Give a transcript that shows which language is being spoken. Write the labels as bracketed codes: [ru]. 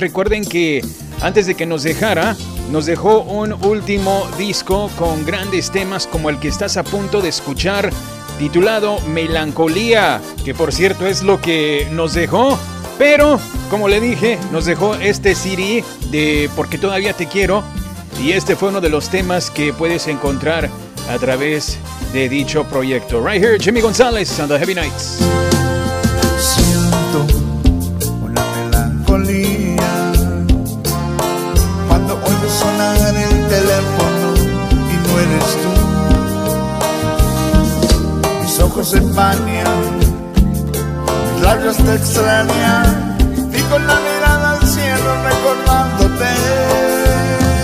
[es] Recuerden que antes de que nos dejara, nos dejó un último disco con grandes temas como el que estás a punto de escuchar, titulado Melancolía, que por cierto es lo que nos dejó Pero, como le dije, nos dejó este CD de Porque Todavía Te Quiero. Y este fue uno de los temas que puedes encontrar a través de dicho proyecto. [en] Right here, Jimmy González and the Heavy Knights. [es] Siento una melancolía cuando oigo sonar el teléfono y no eres tú. Mis ojos se empañan, mis labios te extrañan y con la mirada al cielo recordándote.